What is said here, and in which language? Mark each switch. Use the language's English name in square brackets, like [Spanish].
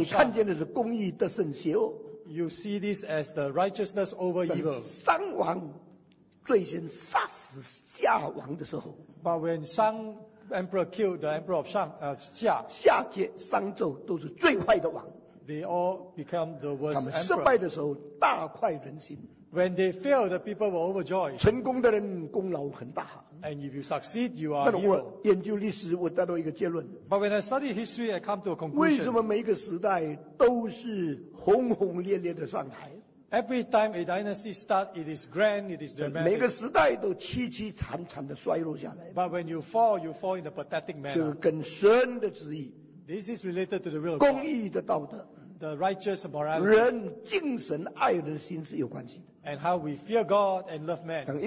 [Chinese] 你看见的是公义得胜邪恶。 [English] you see this as the righteousness over evil. [Chinese] 商王最先杀死夏王的时候, [English] but when Shang Emperor killed the Emperor of Shang, Xia, [Chinese] 夏桀、商纣都是最坏的王, [English] they all become the worst emperor. [Chinese] 他们失败的时候大快人心, [English] when they fail, the people were overjoyed. [Chinese] 成功的人功劳很大, [English] and if you succeed, you are hero. [Chinese] 研究历史我得到一个结论, [English] but when I study history, I come to a conclusion. [Chinese] 为什么每一个时代都是轰轰烈烈的上台? [English] Every time a dynasty starts, it is grand, it is dramatic. [Chinese] 每个时代都凄凄惨惨地衰落下来, [English] but when you fall, you fall in a pathetic manner. [Chinese] 这跟神的旨意, [English] this is related to the will of God. [Chinese] 公义的道德, [English] the righteous morality. [Chinese] 人敬神爱人的心是有关系的, [English] and how we fear God and love man.